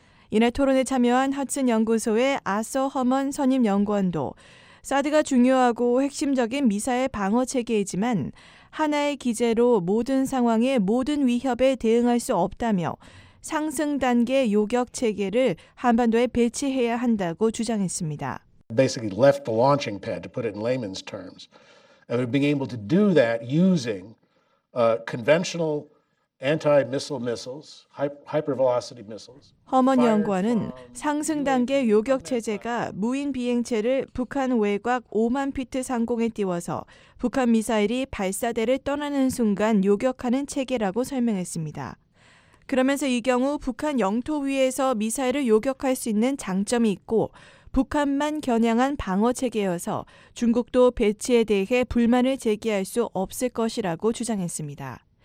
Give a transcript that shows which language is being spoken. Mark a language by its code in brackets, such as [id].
[ko] 이날 토론에 참여한 허튼 연구소의 아서 허먼 선임 연구원도 사드가 중요하고 핵심적인 미사일 방어 체계이지만 하나의 기제로 모든 상황에 모든 위협에 대응할 수 없다며 상승 단계 요격 체계를 한반도에 배치해야 한다고 주장했습니다. [en] Basically left the launching pad to put it in layman's terms. And we've been able to do that using conventional anti-missile missiles, hypervelocity missiles. [ko] 허먼 연구원은 상승 단계 요격 체제가 무인 비행체를 북한 외곽 5만 피트 상공에 띄워서 북한 미사일이 발사대를 떠나는 순간 요격하는 체계라고 설명했습니다. 그러면서 이 경우 북한 영토 위에서 미사일을 요격할 수 있는 장점이 있고 북한만 겨냥한 방어 체계여서 중국도 배치에 대해 불만을 제기할 수 없을 것이라고 주장했습니다.